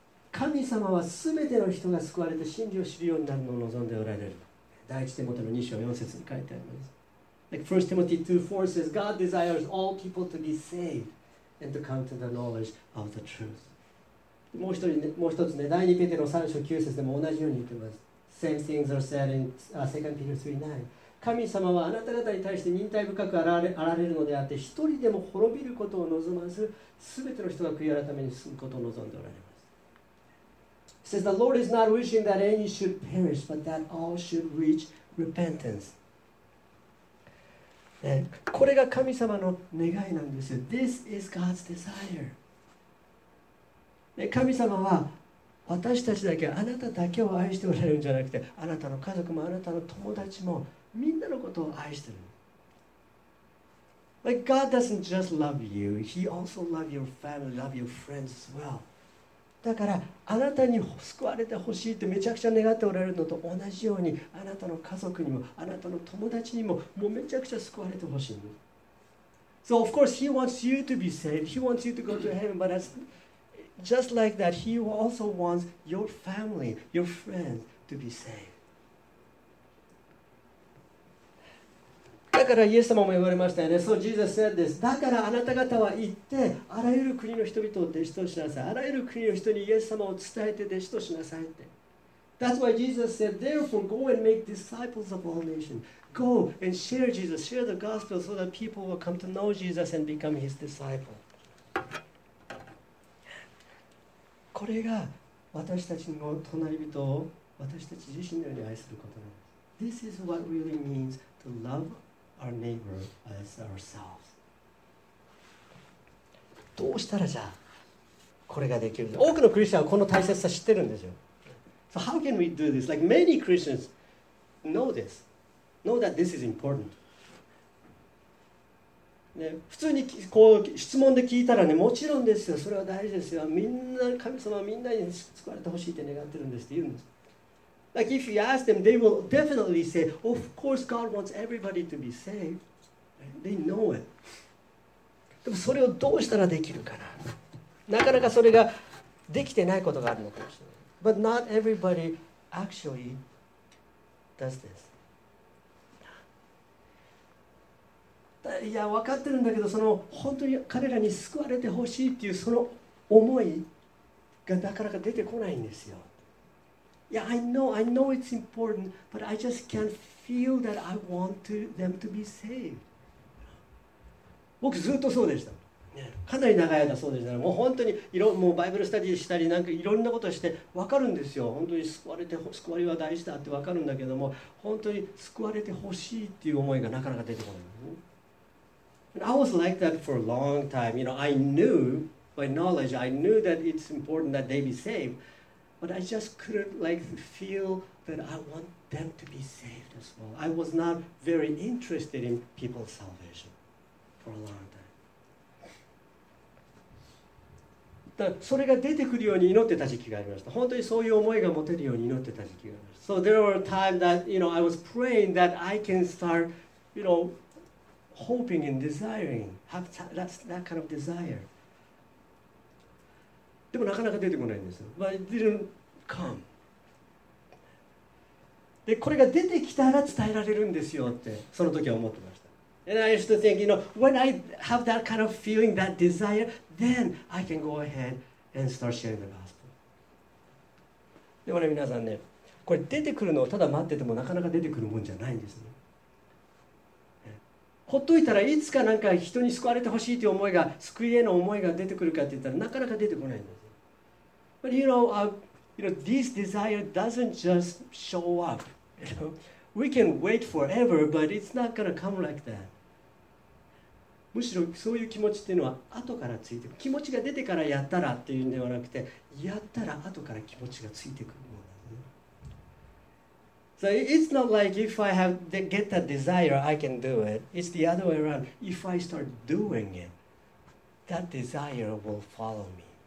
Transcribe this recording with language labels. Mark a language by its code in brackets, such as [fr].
[ja] 神様は全ての人が救われて真理を知るようになるのを望んでおられる。第一テモテの2章4節に書いてあります。 [en] Like 1 Timothy 2:4 says, God desires all people to be saved and to come to the knowledge of the truth. [ja] もう一人、ね、もう一つね、第2ペテロ3章9節でも同じように言ってます。 [en] Same things are said in 2 Peter 3:9. [ja] 神様はあなた方に対して忍耐深くあられるのであって、一人でも滅びることを望まず、全ての人が悔い改めに進むことを望んでおられます。 [en] It says, the Lord is not wishing that any should perish, but that all should reach repentance.、 [ja] ね、これが神様の願いなんですよ。 [en] This is God's desire.、 [ja] ね、神様は私たちだけ、あなただけを愛しておられるんじゃなくて、あなたの家族もあなたの友達も、みんなのことを愛してる。 [en] Like God doesn't just love you, He also loves your family, loves your friends as well. [ja] だからあなたに救われてほしいってめちゃくちゃ願っておられるのと同じように、あなたの家族にもあなたの友達にももうめちゃくちゃ救われてほしい。 [en] So of course He wants you to be saved, He wants you to go to heaven, but just like that, He also wants your family, your friends to be saved. [ja] だからイエス様も言われましたよね。 [en] So Jesus said this. [ja] だからあなた方は行って、あらゆる国の人々を弟子としなさい。あらゆる国の人にイエス様を伝えて弟子としなさいって。 [en] That's why Jesus said, therefore go and make disciples of all nations. Go and share Jesus, share the gospel so that people will come to know Jesus and become his disciple. [ja] これが私たちの隣人を私たち自身のように愛することなんです。 [en] This is what really means to love our neighbor as ourselves. [ja] どうしたらじゃあこれができるの？多くのクリスチャンはこの大切さ知ってるんですよ。 [en] So how can we do this? Like many Christians know this, know that this is important.、 [ja] ね、普通にこう質問で聞いたらね、もちろんですよ。それは大事ですよ。みんな神様はみんなに救われてほしいって願ってるんですって言うんです。 [en] Like if you ask them, they will definitely say, of course God wants everybody to be saved. They know it. [ja] でもそれをどうしたらできるかな。なかなかそれができてないことがあるのかもしれない。 [en] But not everybody actually does this. [ja] いや、分かってるんだけど、その本当に彼らに救われてほしいっていうその思いがなかなか出てこないんですよ。 [en] Yeah, I know it's important, but I just can't feel that I want to, them to be saved. [ja] 僕ずっとそうでした。かなり長い間そうでした。もう本当にもうバイブルスタディしたりなんかいろんなことして分かるんですよ。本当に救われは大事だって分かるんだけども、本当に救われてほしいっていう思いがなかなか出てこない。 [en] And、I was like that for a long time. You know, I knew by knowledge, I knew that it's important that they be saved. But I just couldn't like feel that I want them to be saved as well. I was not very interested in people's salvation for a long time. [ja] だそれが出てくるように祈ってた時期がありました。本当にそういう思いが持てるように祈ってた時期がありました。 [en] So there were times that you know I was praying that I can start you know hoping and desiring have that kind of desire. [ja] でもなかなか出てこないんですよ。 [en] But it didn't come. [ja] で、これが出てきたら伝えられるんですよって、その時は思ってました。 [en] And I used to think, you know, when I have that kind of feeling, that desire, then I can go ahead and start sharing the gospel. [ja] でもね、皆さんね、これ出てくるのをただ待っててもなかなか出てくるもんじゃないんですね。ほっといたらいつかなんか人に救われてほしいという思いが救いへの思いが出てくるかって言ったらなかなか出てこないんです。 [en] But you know, this desire doesn't just show up. You know, we can wait forever, but it's not gonna come like that. [ja] むしろそういう気持ちっていうのは後からついてくる。気持ちが出てからやったらっていうんではなくて、やったら後から気持ちがついてくる。 [en] So it's not like if I have the, get that desire, I can do it. It's the other way around. If I start doing it, that desire will follow me.